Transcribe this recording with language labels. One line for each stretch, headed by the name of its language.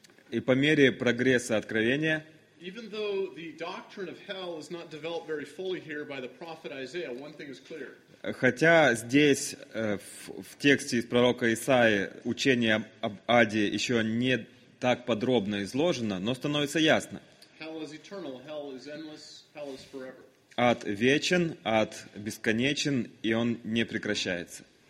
Russian: И по мере прогресса откровения,
English: even though the doctrine of hell is not developed very fully here by the prophet Isaiah, one thing is clear.
Russian: Хотя здесь в тексте из пророка Исаии учение об аде еще не так подробно изложено, но становится ясно.
English: Hell is eternal, hell is endless, hell is forever.
Russian: Ад вечен, ад бесконечен, и он не прекращается.